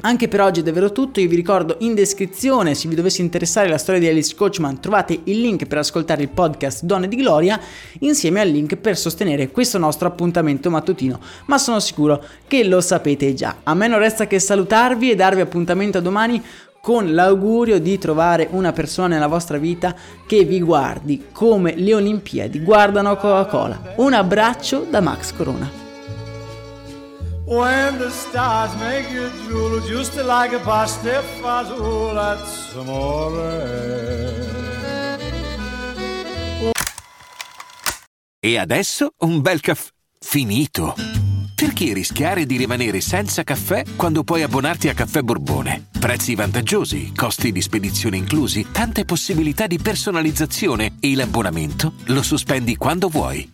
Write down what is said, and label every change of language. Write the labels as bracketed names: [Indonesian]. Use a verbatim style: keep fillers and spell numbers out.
[Italian] Anche per oggi è davvero tutto. Io vi ricordo, in descrizione, se vi dovesse interessare la storia di Alice Coachman, trovate il link per ascoltare il podcast Donne di Gloria insieme al link per sostenere questo nostro appuntamento mattutino, ma sono sicuro che lo sapete già. A me non resta che salutarvi e e darvi appuntamento a domani, con l'augurio di trovare una persona nella vostra vita che vi guardi come le Olimpiadi guardano Coca-Cola. Un abbraccio da Max Corona. [English] When the stars make you drool, just like a pasta fazool, that's amore. [Italian] E adesso un bel caffè finito. Perché rischiare di rimanere senza caffè quando puoi abbonarti a Caffè Borbone? Prezzi vantaggiosi, costi di spedizione inclusi, tante possibilità di personalizzazione e l'abbonamento lo sospendi quando vuoi.